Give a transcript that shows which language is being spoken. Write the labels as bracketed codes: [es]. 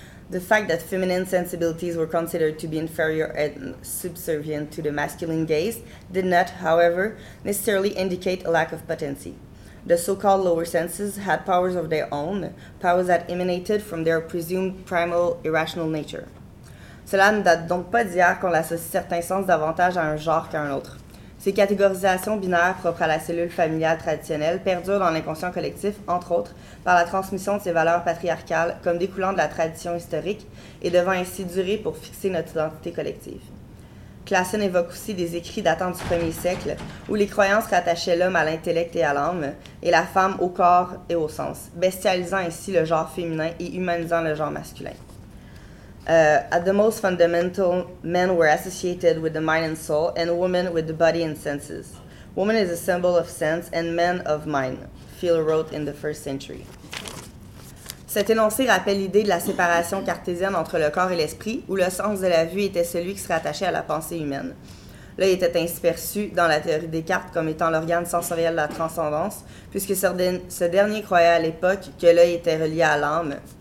[en] The fact that feminine sensibilities were considered to be inferior and subservient to the masculine gaze did not, however, necessarily indicate a lack of potency. The so-called lower senses had powers of their own, powers that emanated from their presumed primal, irrational nature. [fr] Cela ne date donc pas d'hier qu'on l'associe certains sens davantage à un genre qu'à un autre. Ces catégorisations binaires propres à la cellule familiale traditionnelle perdurent dans l'inconscient collectif, entre autres, par la transmission de ces valeurs patriarcales comme découlant de la tradition historique et devant ainsi durer pour fixer notre identité collective. Classen évoque aussi des écrits datant du 1er siècle où les croyances rattachaient l'homme à l'intellect et à l'âme et la femme au corps et au sens, bestialisant ainsi le genre féminin et humanisant le genre masculin. [en] At the most fundamental, men were associated with the mind and soul, and women with the body and senses. Woman is a symbol of sense, and man of mind, Field wrote in the first century. [fr] Cet énoncé rappelle l'idée de la séparation cartésienne entre le corps et l'esprit, où le sens de la vue était celui qui se rattachait à la pensée humaine. L'œil était ainsi perçu, dans la théorie Descartes, comme étant l'organe sensoriel de la transcendance, puisque ce dernier croyait à l'époque que l'œil était relié à l'âme.